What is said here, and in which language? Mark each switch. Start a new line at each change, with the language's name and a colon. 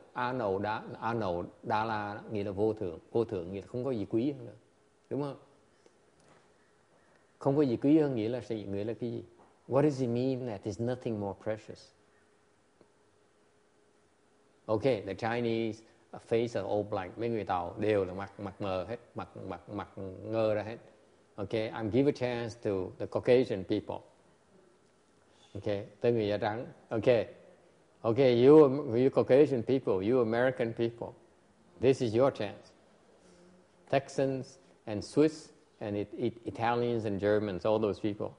Vietnamese: A nậu đa la nghĩa là vô thường. Vô thường nghĩa là không có gì quý hơn nữa. Đúng không? Không có gì quý hơn nghĩa là cái gì?
English: What does it mean that there's nothing more precious? Okay, the Chinese face are all blank.
Vietnamese: Mấy người Tàu đều là mặt mờ hết, mặt ngơ ra hết.
English: Okay, I'm give a chance to the Caucasian people. Okay,
Vietnamese: tới người da trắng.
English: Okay, you Caucasian people, you American people, this is your chance. Texans and Swiss and Italians and Germans, all those people.